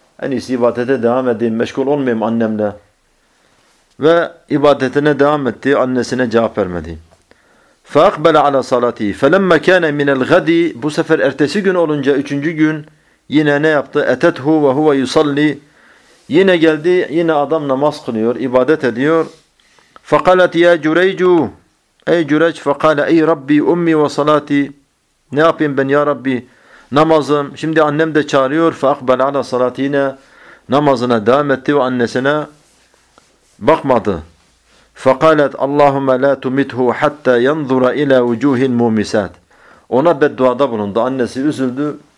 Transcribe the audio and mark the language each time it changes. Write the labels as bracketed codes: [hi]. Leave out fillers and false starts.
[tr] En iyisi ibadete devam edeyim, meşgul olmayayım annemle. Ve ibadetine devam etti. Annesine cevap vermedi. [ar] فَاَقْبَلَ عَلَى صَلَاتِهِ فَلَمَّ كَانَ مِنَ الْغَدِي. [tr] Bu sefer ertesi gün olunca, üçüncü gün yine ne yaptı? [ar] اَتَتْهُ وَهُوَ يُصَلِّ. [tr] Yine geldi. Yine adam namaz kılıyor. İbadet ediyor. [ar] فَقَالَتْ يَا جُرَيْجُ. Ey Cüreyc, فَقَالَ اَيْ رَبِّي اُمِّي وَصَلَاتِي. [tr] Ne yapayım ben ya Rabbi? Namazım. Şimdi annem de çağırıyor. [ar] فَاَقْبَلَ عَلَى صَلَاتِهِ. [tr] Yine namazına devam etti ve annesine bakmadı. [ar] فَقَالَتْ اللّٰهُمَّ لَا تُمِتْهُ حَتَّى يَنْظُرَ اِلَى وُجُوهِ الْمُومِسَاتِ. [tr] Ona bedduada bulundu. Annesi üzüldü.